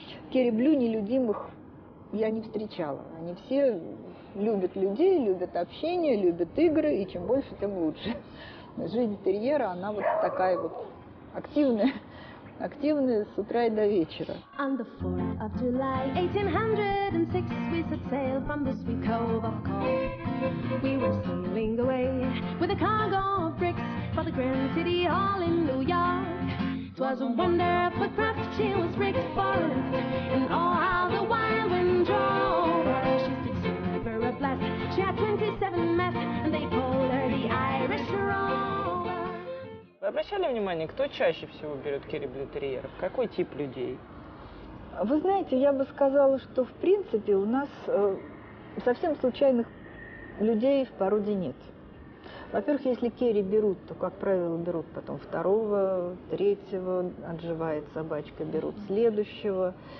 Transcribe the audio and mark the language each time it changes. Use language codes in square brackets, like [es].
[ru] Кереблю нелюдимых я не встречала. Они все любят людей, любят общение, любят игры, и чем больше, тем лучше. Жизнь терьера, она вот такая вот активная, активная с утра и до вечера. [en] On the 4th of July, 1806, we set sail from the sweet cove of Cork. We were sailing away with a cargo of bricks for the grand city hall in New York. It was a wonderful craft, she was rigged for a lift, and oh, how the wild wind drove her. She stood silver a blast, she had 27 masts, and they pulled her the Irish roll. [ru] Вы обращали внимание, кто чаще всего берет Керри Блютерьеров? Какой тип людей? Вы знаете, я бы сказала, что в принципе у нас совсем случайных людей в породе нет. Во-первых, если Керри берут, то, как правило, берут потом второго, третьего, отживает собачка, берут следующего.